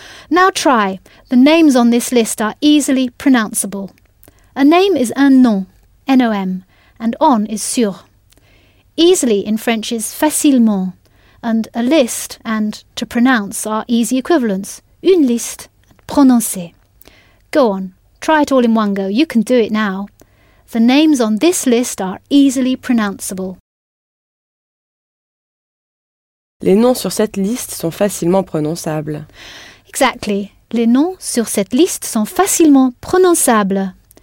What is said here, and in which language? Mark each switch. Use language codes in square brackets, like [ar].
[en] Now try. The names on this list are easily pronounceable. A name is [fr] un nom, [en] N-O-M, and on is sur. Easily in French is facilement, and a list and to pronounce are easy equivalents. [fr] Une liste, [en] prononcer. Go on, try it all in one go. You can do it now. The names on this list are easily pronounceable. [fr] Les noms sur cette liste sont facilement prononçables. [en] Exactly. [fr] Les noms sur cette liste sont facilement prononçables.